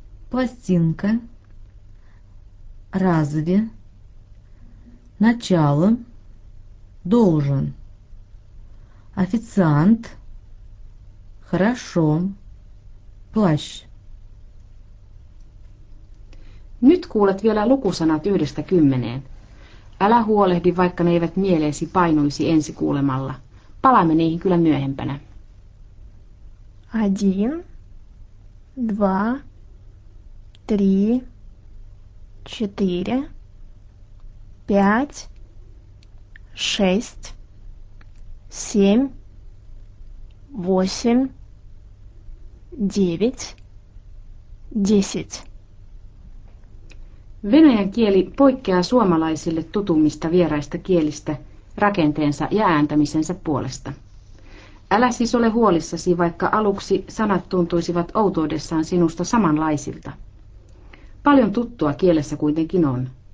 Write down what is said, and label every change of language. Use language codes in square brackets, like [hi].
[ru] Пластинка, разве, начало, должен, официант, хорошо, плащ. [fi] Nyt kuulet vielä lukusanat 1-10. Älä huolehdi, vaikka ne eivät mieleesi painuisi ensi kuulemalla. Palaamme niihin kyllä myöhempänä. [ru] Один, два, три, четыре, пять, шесть, семь, восемь, девять, десять. [fi] Venäjän kieli poikkeaa suomalaisille tutummista vieraista kielistä rakenteensa ja ääntämisensä puolesta. Älä siis ole huolissasi, vaikka aluksi sanat tuntuisivat outoudessaan sinusta samanlaisilta. Paljon tuttua kielessä kuitenkin on.